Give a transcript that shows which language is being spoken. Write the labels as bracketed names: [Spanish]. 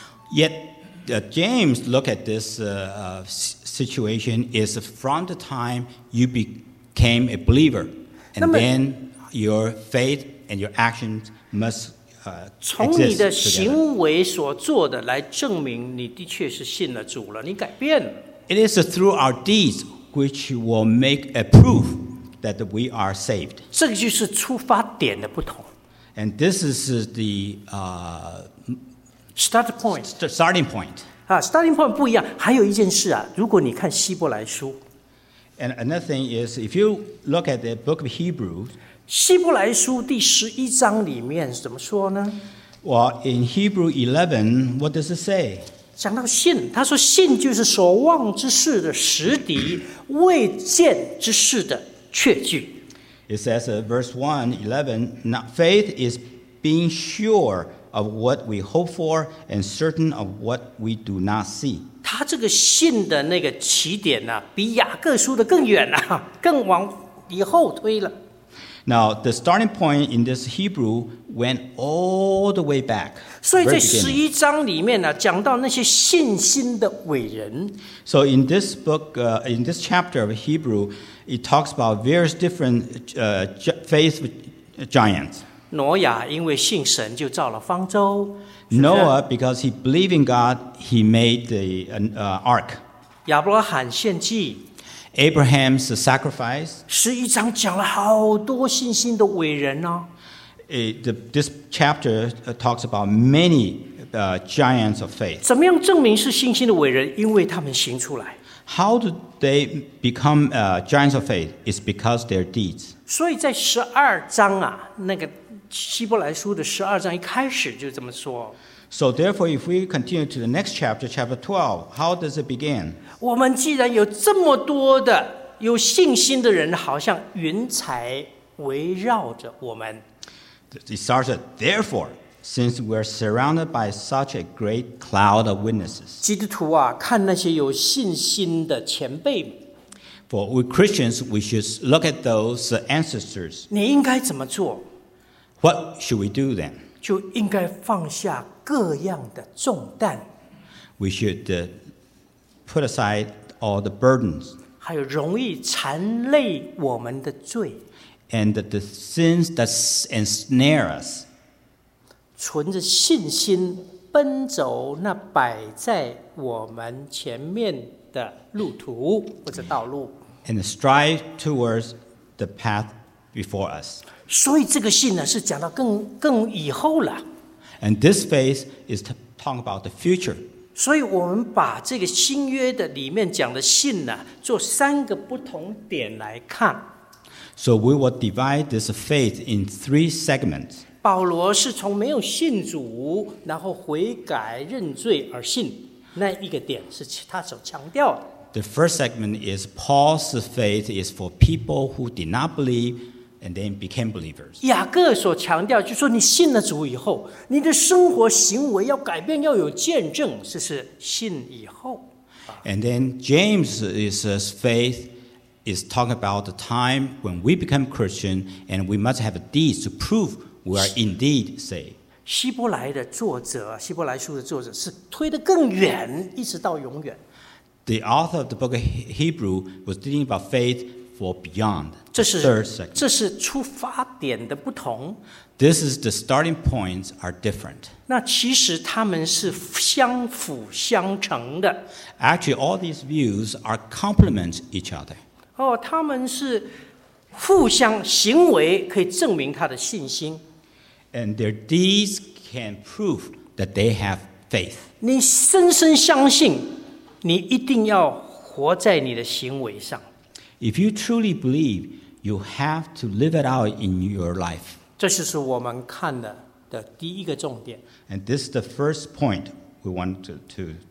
[English] Yet, James look at this situation is from the time you became a believer, and then your faith and your actions must [Chinese] 从你的行为所做的来证明你的确是信了主了，你改变了。 [English] It is through our deeds which will make a proof that we are saved. [Chinese] 这个就是出发点的不同。 [English] And this is the start point. Starting point. Starting point [Chinese] 不一样。还有一件事啊，如果你看希伯来书。 [English] And another thing is if you look at the book of Hebrews. [Chinese] 希伯来书第十一章里面怎么说呢？ [English] Well, in Hebrew 11, what does it say? [Chinese] 讲到信，他说信就是所望之事的实底，未见之事的确据。 [English] It says verse 1, 11, now faith is being sure of what we hope for and certain of what we do not see. [Chinese] 他这个信的那个起点呢、啊，比雅各书的更远了、啊，更往以后推了。 [English] Now, the starting point in this Hebrew went all the way back. [Chinese] 所以在十一章里面呢，讲到那些信心的伟人。 [English] So in this book, in this chapter of Hebrew, it talks about various different faith giants. [Chinese] 挪亚因为信神就造了方舟。 [English] Noah, because he believed in God, he made the ark. [Chinese] 亚伯拉罕献祭。 [English] Abraham's sacrifice. [Chinese] 十一章讲了好多信心的伟人哦。 [English] This chapter talks about many giants of faith. [Chinese] 怎么样证明是信心的伟人？因为他们行出来。 [English] How do they become giants of faith? It's because their deeds. [Chinese] 所以在十二章啊，那个希伯来书的十二章一开始就这么说。 [English] So therefore, if we continue to the next chapter, chapter 12, how does it begin? [Chinese] 我们既然有这么多的有信心的人，好像云彩围绕着我们。 [English] It starts with, therefore, since we're surrounded by such a great cloud of witnesses. [Chinese] 基督徒啊，看那些有信心的前辈。 [English] For we Christians, we should look at those ancestors. [Chinese] 你应该怎么做？ [English] What should we do then? [Chinese] 就应该放下各样的重担。 [English] We should put aside all the burdens. [Chinese] 还有容易缠累我们的罪。 [English] And the sins that ensnare us. [Chinese] 存着信心奔走那摆在我们前面的路途或者道路。 [English] And strive towards the path before us. [Chinese] 所以这个信呢是讲到更以后了。 [English] And this phase is to talk about the future. [Chinese] 所以我们把这个新约的里面讲的信呢，做三个不同点来看。 [English] So we will divide this faith in three segments. [Chinese] 保罗是从没有信主，然后悔改认罪而信，那一个点是他所强调的。 [English] The first segment is Paul's faith is for people who did not believe and then became believers. [Chinese] 雅各所强调就是说，你信了主以后，你的生活行为要改变，要有见证，这是信以后。 [English] And then James is his faith. Is talking about the time when we become Christian and we must have deeds to prove we are indeed saved. [Chinese] 希伯来的作者，希伯来书的作者是推得更远，一直到永远。 [English] The author of the book of Hebrew was thinking about faith for beyond. [Chinese] 这是 [English] third segment. [Chinese] 这是出发点的不同。 [English] This is the starting points are different. [Chinese] 那其实他们是相辅相成的。 [English] Actually, all these views are complement each other. [Chinese] 哦、他们是互相行为可以证明他的信心。 [English] And their deeds can prove that they have faith. [Chinese] 你深深相信，你一定要活在你的行为上。 [English] If you truly believe, you have to live it out in your life. [Chinese] 这就是我们看的第一个重点。 [English] And this is the first point we want to.